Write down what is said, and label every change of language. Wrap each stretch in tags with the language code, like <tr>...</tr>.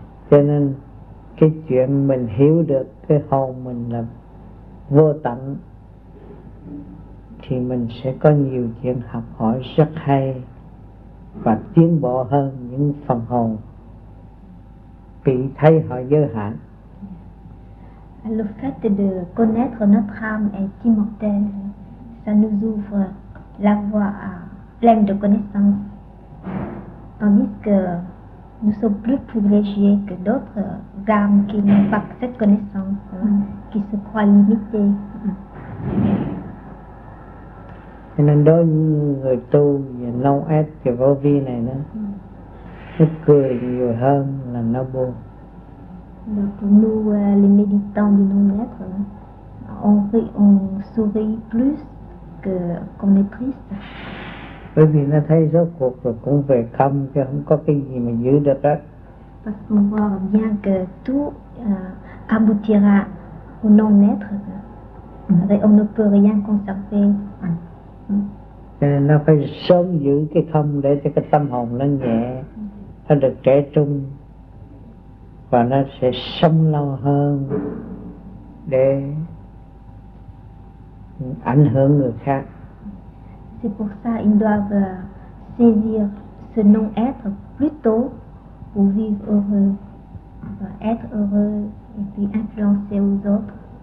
<vi>Cho nên cái chuyện mình hiểu được cái hồn mình là vô tận thì mình sẽ có nhiều chuyện học hỏi rất hay và tiến bộ hơn những phần hồn bị thấy họ giới hạn.</vi> <fr>Le fait de connaître notre âme est immortel. Ça nous ouvre la voie à pleine de connaissances. Tandis que nous sommes plus privilégiés que d'autres âmes qui n'ont pas cette connaissance, qui se croient limitées.</fr> <vi>Cho nên đối với những người tu và lâu ép thì vô vi này nó cười nhiều hơn là nó buồn.</vi> <fr>Donc pour nous, les méditants du non-être, on sourit plus que qu'on est triste.</fr> <vi>Bởi vì nó thấy rốt cuộc rồi cũng về không, chứ không có cái gì mà giữ được hết.</vi> <fr>Parce qu'on voit bien que tout aboutira au non-être, et on ne peut rien conserver.</fr> <vi>Cho nên nó phải sớm giữ cái không để cho cái tâm hồn nó nhẹ, nó được trẻ trung. Và nó sẽ sống lâu hơn để ảnh hưởng người khác.</vi> <fr>C'est pour ça ils doivent saisir ce non-être plus tôt pour vivre heureux, être heureux et puis influencer aux autres.</fr>